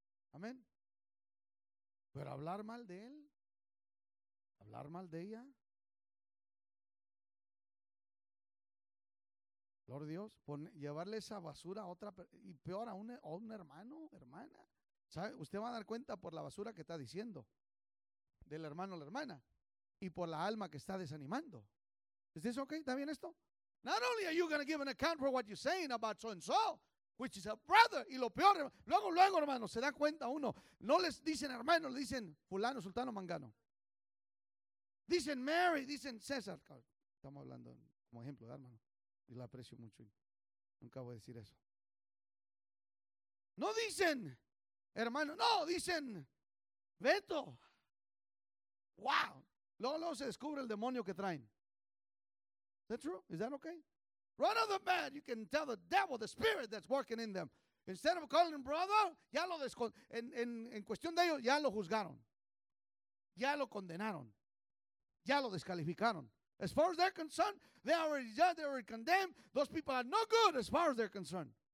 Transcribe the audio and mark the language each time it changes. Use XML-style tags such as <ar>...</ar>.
<es>Amén. Pero hablar mal de él, hablar mal de ella, Lord Dios, llevarle esa basura a otra, y peor a un hermano, hermana. ¿Sabe? Usted va a dar cuenta por la basura que está diciendo del hermano o la hermana y por la alma que está desanimando. ¿Es eso okay? ¿Está bien esto?</es> <en>Not only are you going to give an account for what you're saying about so and so, which is a brother,</en> <es>y lo peor, luego, hermano, se da cuenta uno. No les dicen hermano, le dicen fulano, sultano, mangano. Dicen Mary, dicen César. Estamos hablando como ejemplo, hermano. Y lo aprecio mucho. Nunca voy a decir eso. No dicen hermano, no, dicen Beto. Wow. Luego se descubre el demonio que traen.</es> <en>Is that true? Is that okay? Right off the bat, you can tell the devil, the spirit that's working in them.</en> <es>Instead of calling brother, ya lo en cuestión de ellos, ya lo juzgaron. Ya lo condenaron. Ya lo descalificaron.</es> <en>As far as they're concerned, they already judged, they already condemned. Those people are no good as far as they're concerned.</en>